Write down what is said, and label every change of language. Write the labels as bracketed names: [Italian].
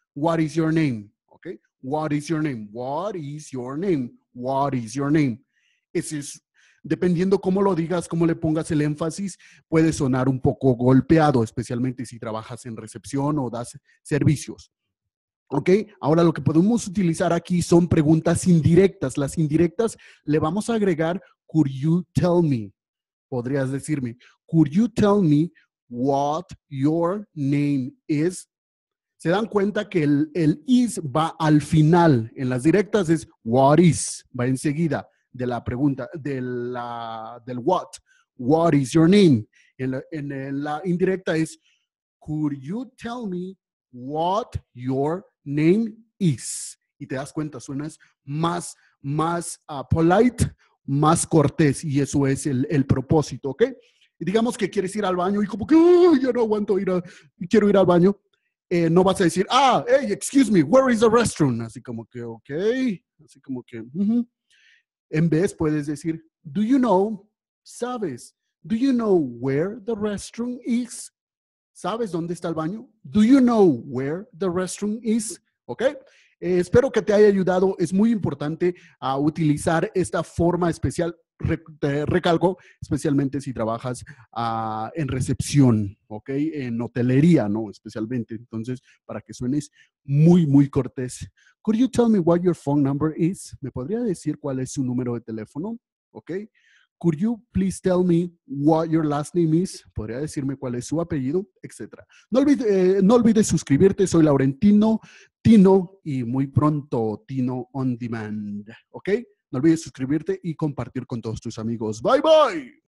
[English] What is your name? Okay. What is your name? What is your name? What is your name? [Spanish] Es, dependiendo cómo lo digas, cómo le pongas el énfasis, puede sonar un poco golpeado, especialmente si trabajas en recepción o das servicios. Ok, ahora lo que podemos utilizar aquí son preguntas indirectas. Las indirectas le vamos a agregar, [English] could you tell me? [Spanish] Podrías decirme, [English] could you tell me what your name is? [Spanish] Se dan cuenta que el is va al final. En las directas es what is. Va enseguida de la pregunta, del what. [English] What is your name? [Spanish] En la indirecta es [English] could you tell me what your name is? [Spanish] Y te das cuenta, suenas más polite, más cortés. Y eso es el propósito, ¿ok? Y digamos que quieres ir al baño y como que ya no aguanto ir a, quiero ir al baño. No vas a decir, ah, [English] hey, excuse me, where is the restroom? [Spanish] Así como que, ok, así como que, En vez puedes decir, [English] do you know, [Spanish] sabes, [English] do you know where the restroom is? [Spanish] ¿Sabes dónde está el baño? [English] Do you know where the restroom is? [Spanish] Ok, espero que te haya ayudado. Es muy importante a utilizar esta forma especial, recalco, especialmente si trabajas en recepción, ¿ok? En hotelería, ¿no? Especialmente, entonces, para que suenes muy, muy cortés. [English] Could you tell me what your phone number is? [Spanish] ¿Me podría decir cuál es su número de teléfono? ¿Ok? [English] Could you please tell me what your last name is? [Spanish] ¿Podría decirme cuál es su apellido? Etcétera. No olvides suscribirte. Soy Laurentino Tino y muy pronto Tino On Demand, ¿ok? No olvides suscribirte y compartir con todos tus amigos. [English] Bye, bye.